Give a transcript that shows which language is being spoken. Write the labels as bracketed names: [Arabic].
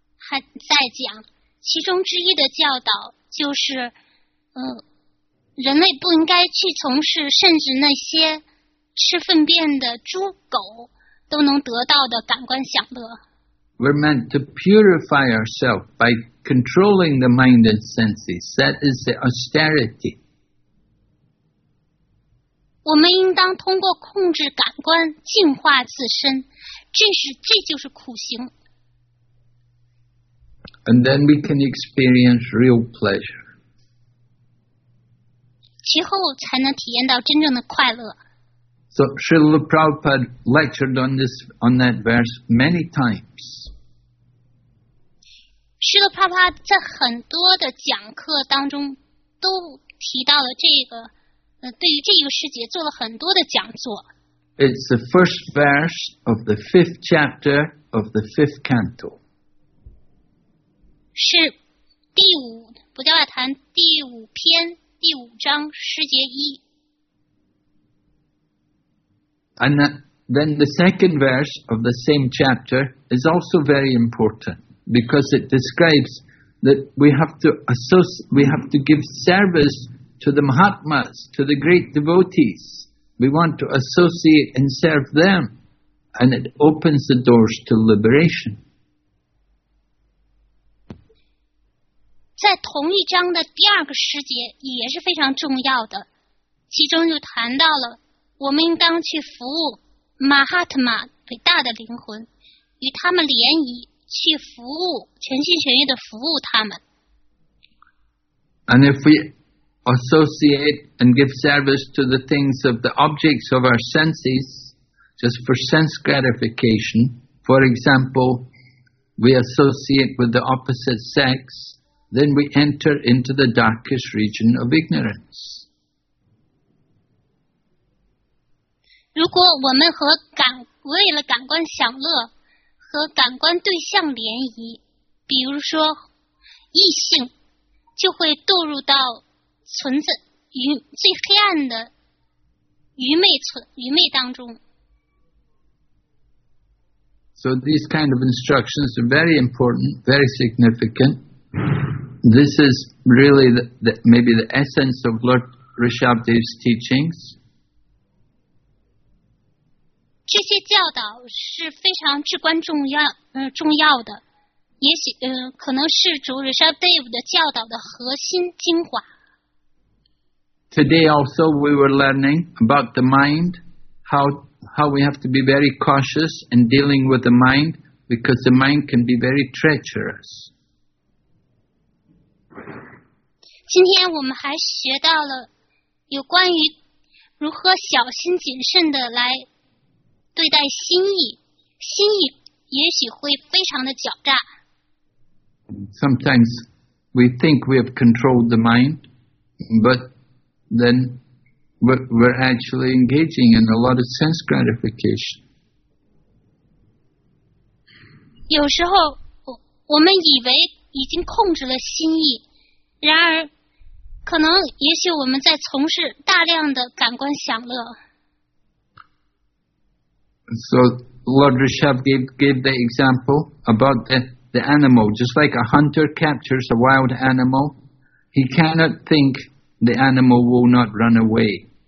[Chinese] 他在讲其中之一的教导就是人类不应该去从事甚至那些吃粪便的猪狗都能得到的感官享乐。 [English] We're meant to purify ourselves by controlling the mind and senses. That is the austerity. [Chinese] 我们应当通过控制感官净化自身，这就是苦行。 [English] And then we can experience real pleasure. [Chinese] 其后才能体验到真正的快乐。 [English] So Srila Prabhupada lectured on this, on that verse many times. [Chinese] Srila Prabhupada 在很多的讲课当中都提到了这个，对于这个世界做了很多的讲座。 [English] It's the first verse of the fifth chapter of the fifth canto. [Chinese] 是第五不叫外谈第五篇第五章诗节一。 [English] And that, then the second verse of the same chapter is also very important because it describes that we have to give service to the Mahatmas, to the great devotees. We want to associate and serve them, and it opens the doors to liberation. [Chinese] 在同一章的第二个诗节也是非常重要的，其中就谈到了我们应当去服务马哈特玛伟大的灵魂，与他们联谊，去服务全心全意的服务他们。 [English] And if we associate and give service to the things of the objects of our senses, just for sense gratification, for example, we associate with the opposite sex. Then we enter into the darkest region of ignorance. [Chinese] 如果我们为了感官享乐和感官对象联谊，比如说异性，就会堕入到存在于最黑暗的愚昧当中。 [English] So these kind of instructions are very important, very significant. This is really maybe the essence of Lord Rishabhadev's teachings. [Chinese] 这些教导是非常至关重要、重要的，也许、可能是主 Rishabhdev 的教导的核心精华。 [English] Today also we were learning about the mind, how we have to be very cautious in dealing with the mind, because the mind can be very treacherous. [Chinese] 今天我们还学到了有关于如何小心谨慎的来对待心意，心意也许会非常的狡诈。 [English] Sometimes we think we have controlled the mind, but then we're actually engaging in a lot of sense gratification. [Chinese] 有时候我们以为已经控制了心意，然而可能也许我们在从事大量的感官享乐。 [English] So Lord Rishabhdev gave the example about the animal. Just like a hunter captures a wild animal, he cannot think the animal will not run away.